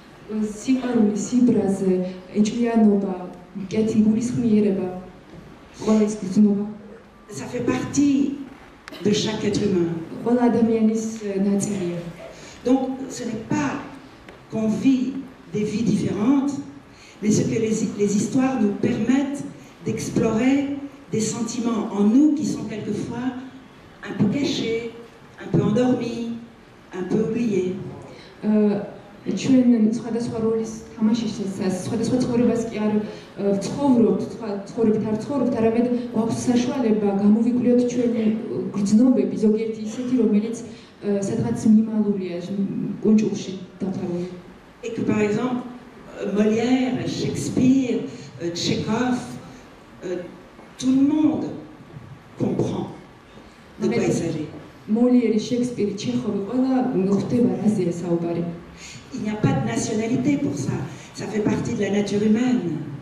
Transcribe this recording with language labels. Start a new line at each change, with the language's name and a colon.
Georgian: სიყვარული, სიბრაზე, ეჭვიანობა, კეთილი გულისხმიერება, ყველა ეს გრძნობა.
French: Ça fait partie de chaque être humain.
Georgian: Ყველა ადამიანის ნაწილია.
French: Donc ce n'est pas qu'on vit des vies différentes, mais ce que les histoires nous permettent d'explorer des sentiments en nous qui sont quelquefois un peu cachés, un peu endormis, un peu oubliés.
Georgian: Ჩვენ სხვადასხვა როლის თამაშისას, სხვადასხვა ცხოვრებას კი არ ვცხოვრობთ, სხვა ცხოვრებით არ ვცხოვრობთ, არამედ გვაქვს საშუალება გამოვიკვლიოთ ჩვენი გრძნობები, ზოგიერთი ისეთი, რომელიც სადღაც მიმალულია კუნჭულში დაფარული.
French: Et que par exemple, Molière, Shakespeare, Tchekhov, tout le monde comprend de quoi il s'agit.
Georgian: Molière, Shakespeare, Tchekhov,
French: voilà,
Georgian: ხვდება რაზე საუბარი.
French: Il n'y a pas de nationalité pour ça. Ça fait partie de la nature humaine.